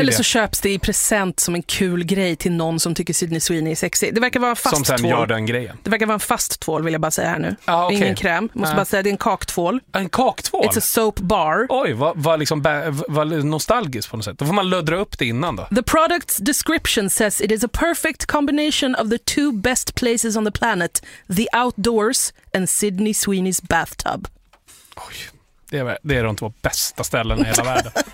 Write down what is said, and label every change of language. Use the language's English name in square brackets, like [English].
[Swedish] Eller så köps det i present som en kul grej till någon som tycker Sydney Sweeney är sexy. Det verkar vara fast som tvål. Gör den grejen. Det verkar vara en fast tvål, vill jag bara säga här nu. Ah, okay. Ingen kräm. Måste bara säga, det är en kaktvål. En kaktvål? [English] It's a soap bar. [Swedish] Oj, vad liksom nostalgiskt på något sätt. Då får man luddra upp det innan då. [English] The product's description says it is a perfect combination of the two best places on the planet. The outdoors and Sydney Sweeney's bathtub. [Swedish] Oj, det är de två bästa ställena i hela världen.